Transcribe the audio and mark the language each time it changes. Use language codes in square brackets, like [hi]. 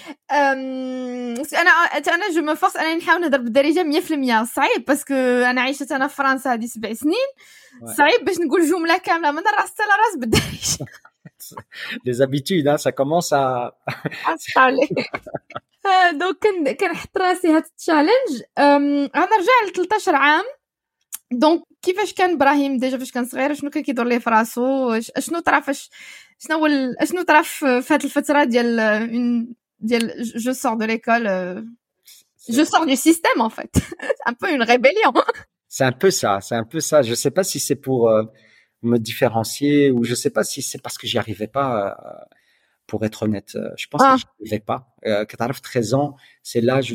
[fr] je me force à essayer de le dire 100%. C'est parce que j'ai vécu en France il y a 7 ans. C'est pour dire la complète. Je ne sais pas si je suis en train de le Les habitudes, hein, ça commence à. À se parler. [ar] دونك كنحط راسي هاد التشالنج غنرجع ل 13 عام دونك كيفاش كان ابراهيم ديجا فاش كان صغير شنو كان كيدور ليه في راسو شنو طرا فاش شنو شنو طرا في هاد الفتره ديال [fr] جو سور دو ليكول Je sors du système, en fait. C'est un peu une rébellion. C'est un peu ça. Je ne sais pas si c'est pour me différencier ou je ne sais pas si c'est parce que je n'y arrivais pas, pour être honnête. Je pense que je n'y arrivais pas. Quand tu arrives 13 ans, c'est l'âge…